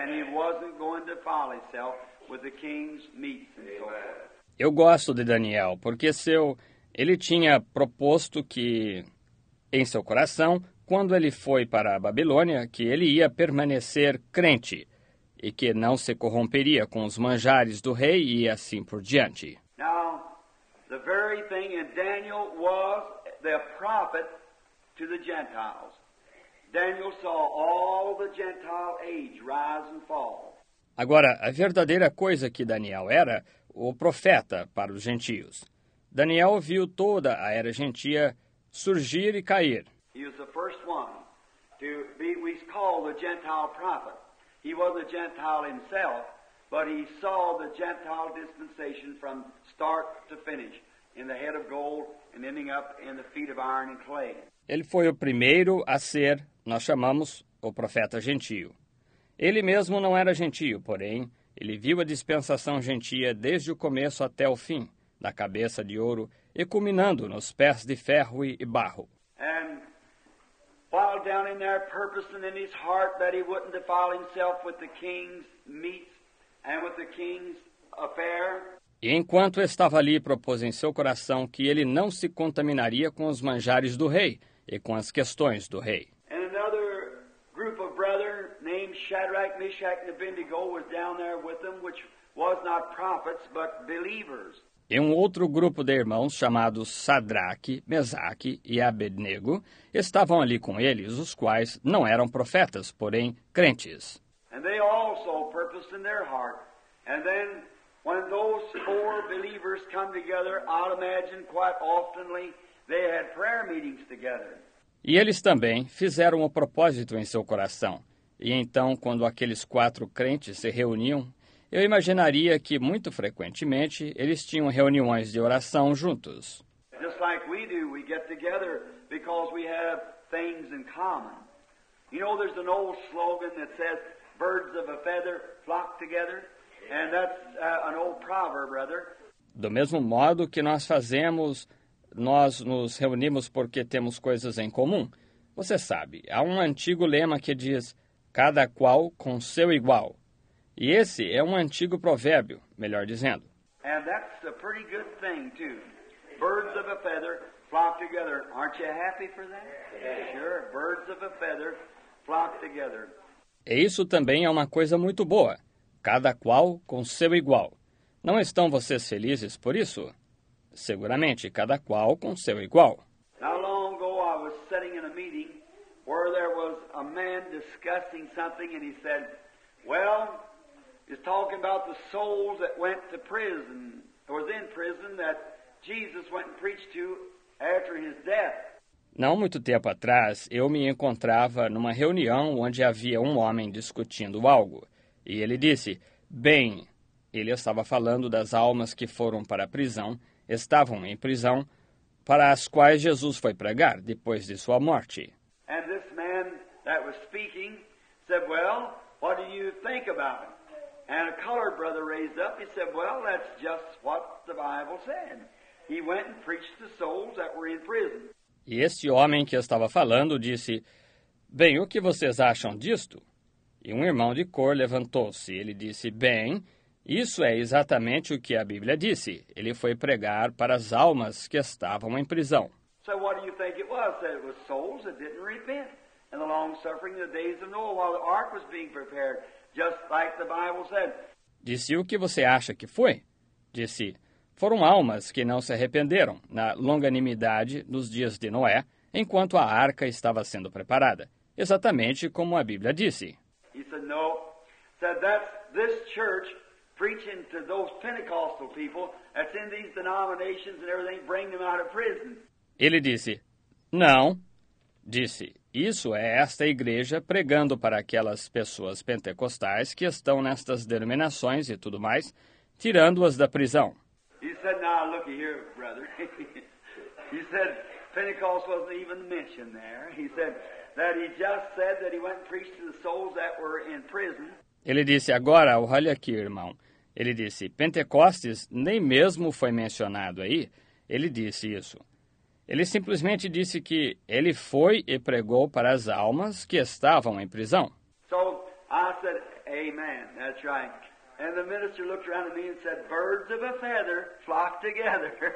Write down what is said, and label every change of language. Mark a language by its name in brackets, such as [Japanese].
[English] And he wasn't going to follow himself with the king's meat. And Amen. So forth. [Portuguese] Eu gosto de Daniel porque ele tinha proposto que em seu coração, quando ele foi para a Babilônia, que ele ia permanecer crente e que não se corromperia com os manjares do rei e assim por diante. [English] Now, the very thing in Daniel was the prophet to the Gentiles. Daniel saw all the Gentile age rise and fall. [Portuguese] Agora, a verdadeira coisa que Daniel era, o profeta para os gentios. Daniel viu toda a era gentia surgir e cair. [English] He was the first one to be, we call the Gentile prophet. He was a Gentile himself, but he saw the Gentile dispensation from start to finish, in the head of gold and ending up in the feet of iron and clay. [Portuguese] Ele foi o primeiro a ser, nós chamamos, o profeta gentio. Ele mesmo não era gentio, porém, ele viu a dispensação gentia desde o começo até o fim, da cabeça de ouro e culminando nos pés de ferro e barro. [English] And while down in there purposing in his heart that he wouldn't defile himself with the king's meat and with the king's affair. [Portuguese] E enquanto estava ali, propôs em seu coração que ele não se contaminaria com os manjares do rei e com as questões do rei. [English] And another group of brethren named Shadrach, Meshach and Abednego was down there with them, which was not prophets but believers. [Portuguese] E um outro grupo de irmãos, chamados Sadraque, Mesaque e Abednego, estavam ali com eles, os quais não eram profetas, porém crentes. [English] And they also purposed in their heart. And then, when those four believers come together, I'd imagine quite oftenly they had prayer meetings together. [Portuguese] E eles também fizeram o propósito em seu coração. E então, quando aqueles quatro crentes se reuniam, eu imaginaria que, muito frequentemente, eles tinham reuniões de oração juntos. [English] Just like we do, we get together because we have things in common. You know, there's an old slogan that says, birds of a feather flock together, and that's an old proverb, rather. [Portuguese] Do mesmo modo que nós fazemos, nós nos reunimos porque temos coisas em comum. Você sabe, há um antigo lema que diz, cada qual com seu igual. E esse é um antigo provérbio, melhor dizendo. [English] And that's a pretty good thing too. Birds of a feather flock together. Aren't you happy for that? Yeah. Sure, birds of a feather flock together. [Portuguese] E isso também é uma coisa muito boa. Cada qual com seu igual. Não estão vocês felizes por isso? Seguramente, cada qual com seu igual. [English] Not long ago I was sitting in a meeting where there was a man discussing something and he said, "Well, he's talking about the souls that went to prison, or was in prison, that Jesus went and preached to after his death." [Portuguese] Não muito tempo atrás, eu me encontrava numa reunião onde havia um homem discutindo algo. E ele disse, bem, ele estava falando das almas que foram para a prisão, estavam em prisão, para as quais Jesus foi pregar depois de sua morte. [English] And this man that was speaking said, "Well, what do you think about it?" And a colored brother raised up. He said, "Well, that's just what the Bible said. He went and preached to souls that were in prison." [Portuguese] E este homem que estava falando disse, "Bem, o que vocês acham disto?" E um irmão de cor levantou-se. Ele disse, "Bem, isso é exatamente o que a Bíblia disse. Ele foi pregar para as almas que estavam em prisão." [English] So what do you think it was? That it was souls that didn't repent. And the long suffering of the days of Noah while the ark was being prepared. Just like the Bible said. [Portuguese] Disse, o que você acha que foi? Disse, foram almas que não se arrependeram na longanimidade dos dias de Noé, enquanto a arca estava sendo preparada, exatamente como a Bíblia disse. [English] He said, no. Said, that's this church preaching to those Pentecostal people that's in these denominations and everything, bring them out of prison. [Portuguese] Ele disse, não. Disse, isso é esta igreja pregando para aquelas pessoas pentecostais que estão nestas denominações e tudo mais, tirando-as da prisão. [English] He said, "Now look here, brother." He said, "Pentecost wasn't even mentioned there." He said that he just said that he went and preached to the souls that were in prison. [Portuguese] Ele disse, agora, olha aqui, irmão. Ele disse, Pentecostes nem mesmo foi mencionado aí. Ele disse isso. Ele simplesmente disse que ele foi e pregou para as almas que estavam em prisão. [English] So I said, "Amen, that's right." And the minister looked around at me and said, "Birds of a feather flock together."